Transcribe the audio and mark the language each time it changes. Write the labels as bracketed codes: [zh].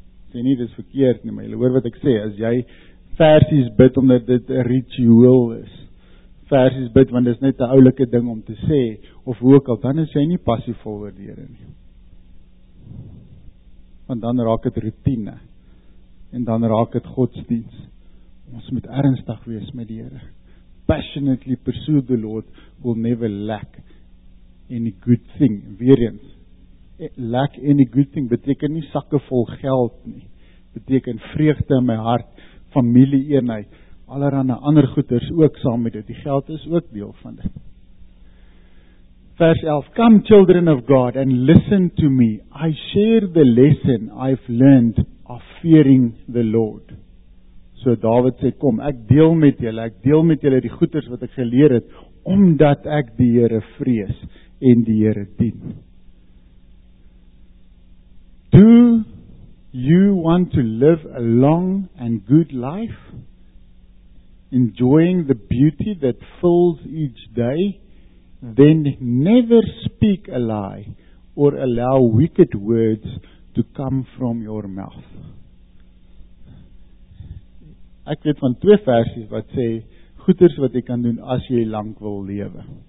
[af] Sê nie, dit is verkeerd nie, maar jy hoor wat ek sê, as jy versies bid omdat dit 'n ritueel is, versies bid, want dit is net 'n oulike ding om te sê, of hoe ook al, dan is jy nie passievol oor die Here nie. Want dan raak het routine, en dan raak het godsdienst. Ons moet ernstig wees met die Here. [en] Passionately pursue the Lord will never lack any good thing. [af] Weer eens, [en] lack any good thing [af] beteken nie sakke vol geld nie. Beteken vreugde in my hart, familie eenheid, allerhande ander goeders ook saam met dit. Die geld is ook deel van dit. Vers 11, [en] come children of God and listen to me. I share the lesson I've learned of fearing the Lord. [af] So David sê, kom, ek deel met julle die goeders wat ek geleer het, omdat ek die Here vrees en die Here dien. [en] Do you want to live a long and good life, enjoying the beauty that fills each day? Then never speak a lie or allow wicked words to come from your mouth. [af] Ek weet van twee versies wat sê, goeders wat jy kan doen as jy lank wil lewe.